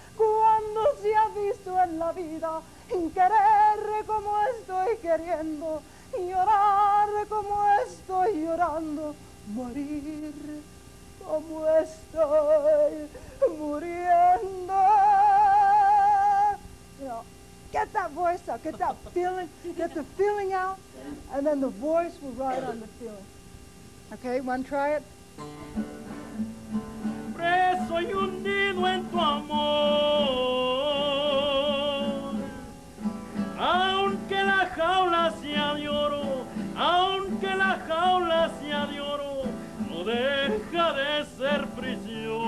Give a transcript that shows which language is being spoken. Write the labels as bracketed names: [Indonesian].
[Spanish] Cuando se ha visto en la vida, querer como estoy queriendo, llorar como estoy llorando, morir como estoy muriendo. [English] You know. Get that voice out, get that feeling, get the feeling out, and then the voice will ride on the feeling. Okay, want to try it? [Spanish] Preso y hundido en tu amor, aunque la jaula sea de oro, aunque la jaula sea de oro, no deja de ser prisión.